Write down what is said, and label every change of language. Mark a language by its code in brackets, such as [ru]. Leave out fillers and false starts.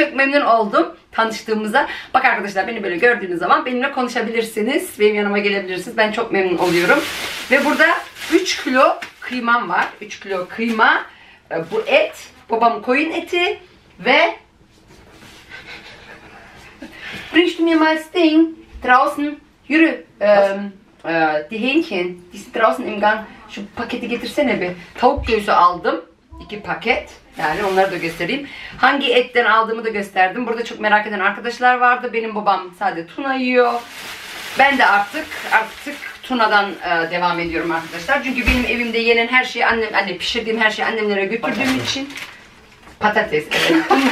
[tr] Çok memnun oldum tanıştığımıza. Bak arkadaşlar, beni böyle gördüğünüz zaman benimle konuşabilirsiniz. Benim yanıma gelebilirsiniz. Ben çok memnun oluyorum. Ve burada 3 kilo kıymam var. 3 kilo kıyma. Bu et, babamın koyun eti ve [de] Bringst du mir mal Sting? Draußen, [tr] yürü, [de] die Hähnchen, die sind draußen im Gang. [tr] Şu paketi getirsene bir. Tavuk göğsü aldım, 2 paket. Yani onları da göstereyim. Hangi etten aldığımı da gösterdim. Burada çok merak eden arkadaşlar vardı. Benim babam sadece tuna yiyor. Ben de artık tunadan devam ediyorum arkadaşlar. Çünkü benim evimde yenen her şeyi annem, hani pişirdiğim her şeyi annemlere götürdüğüm patates için. Patates, evet.